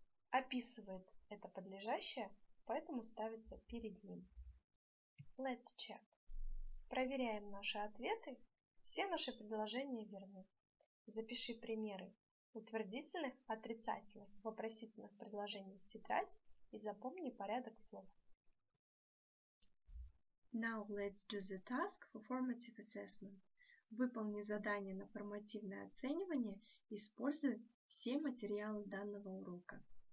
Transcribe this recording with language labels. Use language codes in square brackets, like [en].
[ru] Описывает это подлежащее, поэтому ставится перед ним. [en] Let's check. [ru] Проверяем наши ответы. Все наши предложения верны. Запиши примеры утвердительных, отрицательных, вопросительных предложений в тетрадь и запомни порядок слов. [en] Now let's do the task for formative assessment. [ru] Выполни задание на формативное оценивание, используя все материалы данного урока.